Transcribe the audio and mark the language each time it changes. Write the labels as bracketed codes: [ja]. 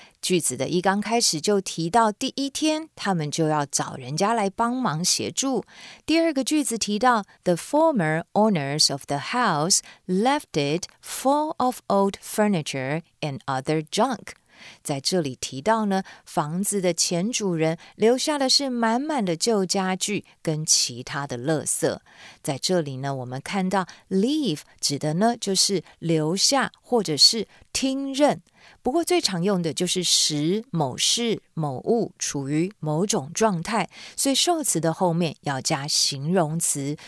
[zh] 句子的一刚开始就提到第一天他们就要找人家来帮忙协助。第二个句子提到 [en] The former owners of the house left it full of old furniture and other junk。 [zh] 在这里提到呢，房子的前主人留下的是满满的旧家具跟其他的垃圾。在这里呢，我们看到 leave 指的呢就是留下或者是听任。不过最常用的就是使某事某物处于某种状态，所以受词的后面要加形容词。